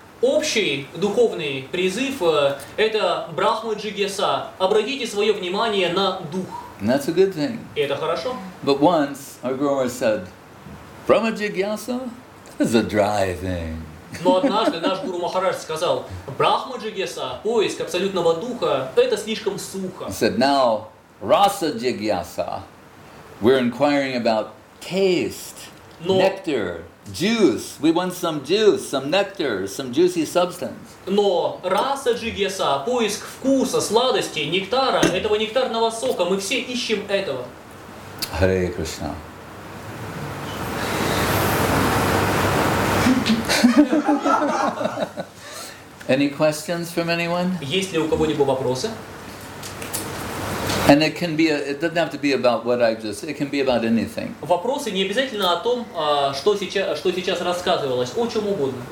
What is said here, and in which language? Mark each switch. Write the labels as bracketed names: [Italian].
[Russian] Общий духовный призыв это Брахма Джигьяса. Обратите свое внимание на дух. [English] And that's a good thing. [Russian] Это хорошо. [English] But once our Guru Maharaj said, Brahma Jigyasa is a dry thing. [Russian] Но однажды наш Гуру Махарадж сказал, Брахма Джигьяса, поиск абсолютного духа, это слишком сухо. [English] He said, now Rasa Jigyasa. We're inquiring about taste, [Russian] но, [English] nectar, juice. We want some juice, some nectar, some juicy substance. [Russian] Но Rasa Jigyasa, поиск вкуса, сладости, нектара, этого нектарного сока, мы все ищем этого. [Sanskrit] Hare Krishna. [English] Any questions from anyone? [Russian] Есть ли у кого-нибудь вопросы? [English] And it can be, it doesn't have to be about what I've just, it can be about anything. [Russian] Вопросы не обязательно о том, что сейчас рассказывалось, о чем угодно.